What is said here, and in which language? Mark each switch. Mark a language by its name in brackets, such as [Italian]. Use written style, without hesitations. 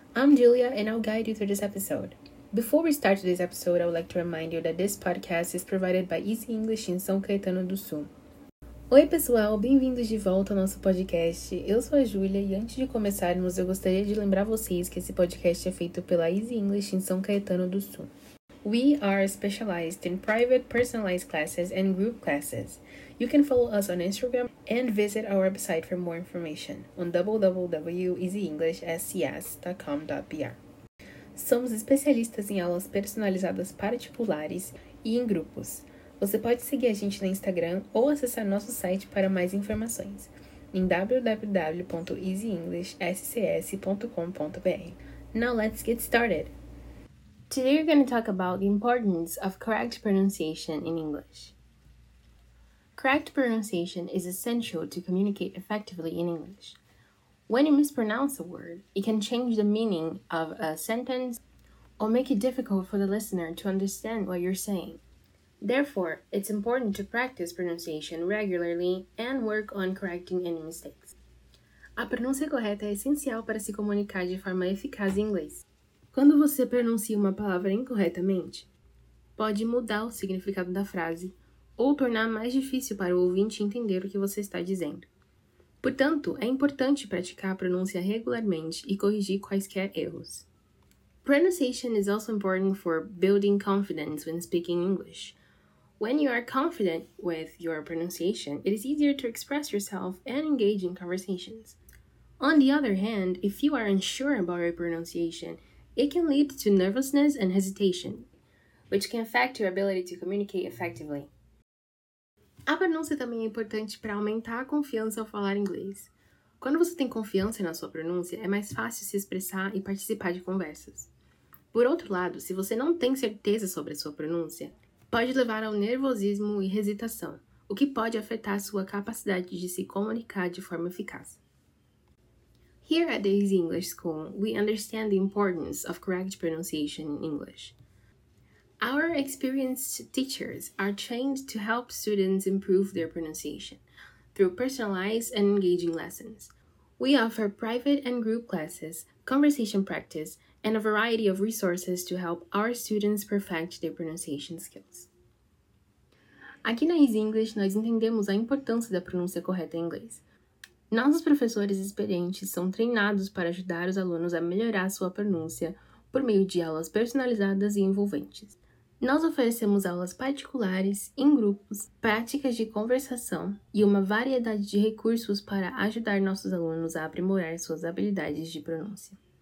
[English] I'm Julia and I'll guide you through this episode. Before we start today's episode, I would like to remind you that this podcast is provided by Easy English in São Caetano do Sul. [Portuguese] Oi pessoal, bem-vindos de volta ao nosso podcast. Eu sou a Julia e antes de começarmos, eu gostaria de lembrar vocês que esse podcast é feito pela Easy English in São Caetano do Sul. [English] We are specialized in private personalized classes and group classes. You can follow us on Instagram and visit our website for more information on www.easyenglishscs.com.br. [Portuguese] Somos especialistas em aulas personalizadas particulares e em grupos. Você pode seguir a gente no Instagram ou acessar nosso site para mais informações em www.easyenglishscs.com.br. [English] Now let's get started! Today we're going to talk about the importance of correct pronunciation in English. Correct pronunciation is essential to communicate effectively in English. When you mispronounce a word, it can change the meaning of a sentence or make it difficult for the listener to understand what you're saying. Therefore, it's important to practice pronunciation regularly and work on correcting any mistakes. [Portuguese] A pronúncia correta é essencial para se comunicar de forma eficaz em inglês. Quando você pronuncia uma palavra incorretamente, pode mudar o significado da frase ou tornar mais difícil para o ouvinte entender o que você está dizendo. Portanto, é importante praticar a pronúncia regularmente e corrigir quaisquer erros. [English] Pronunciation is also important for building confidence when speaking English. When you are confident with your pronunciation, it is easier to express yourself and engage in conversations. On the other hand, if you are unsure about your pronunciation, it can lead to nervousness and hesitation, which can affect your ability to communicate effectively. [Portuguese] A pronúncia também é importante para aumentar a confiança ao falar inglês. Quando você tem confiança na sua pronúncia, é mais fácil se expressar e participar de conversas. Por outro lado, se você não tem certeza sobre a sua pronúncia, pode levar ao nervosismo e hesitação, o que pode afetar a sua capacidade de se comunicar de forma eficaz. [English] Here at the Easy English School, we understand the importance of correct pronunciation in English. Our experienced teachers are trained to help students improve their pronunciation through personalized and engaging lessons. We offer private and group classes, conversation practice, and a variety of resources to help our students perfect their pronunciation skills. [Portuguese] Aqui na Easy English, nós entendemos a importância da pronúncia correta em inglês. Nossos professores experientes são treinados para ajudar os alunos a melhorar sua pronúncia por meio de aulas personalizadas e envolventes. Nós oferecemos aulas particulares, em grupos, práticas de conversação e uma variedade de recursos para ajudar nossos alunos a aprimorar suas habilidades de pronúncia.